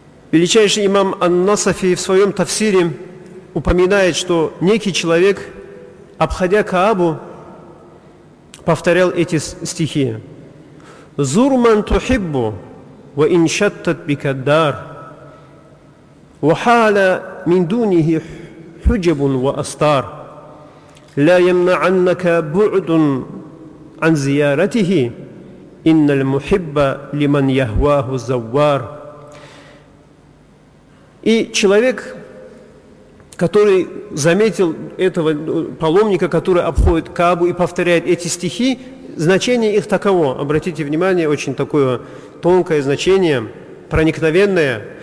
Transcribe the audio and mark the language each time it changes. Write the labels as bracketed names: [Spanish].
[Russian] Величайший имам Ан-Насафи в своем тафсире упоминает, что некий человек, обходя Каабу, повторял эти стихи: [Arabic] «Зур ман тухиббу, ва иншаттат бикаддар». وحال من دونه حجب وأستار لا يمنعنك بعد عن زيارته إن المحب لمن يهواه الزوار. [Russian] И человек, который заметил этого паломника, который обходит Каабу и повторяет эти стихи, значение их таково. Обратите внимание, очень такое тонкое значение, проникновенное.